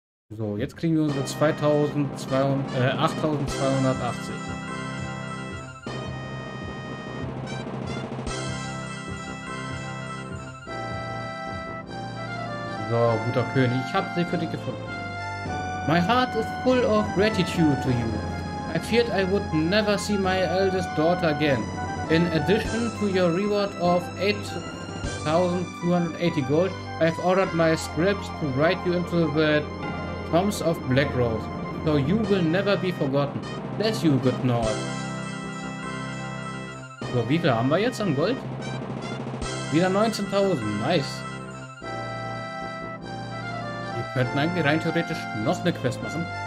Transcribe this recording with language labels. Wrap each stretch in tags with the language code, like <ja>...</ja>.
<de>So, jetzt kriegen wir unsere 8280. So, guter König, ich habe sie für dich gefunden.</de> <en>My heart is full of gratitude to you. I feared I would never see my eldest daughter again. In addition to your reward of 8280 gold, I've ordered my scripts to write you into the tombs of Black Rose, so you will never be forgotten. Bless you, good Nord.</en> <de>So, wie viel haben wir jetzt an Gold? Wieder 19.000, nice. Wir könnten eigentlich rein theoretisch noch eine Quest machen.</de>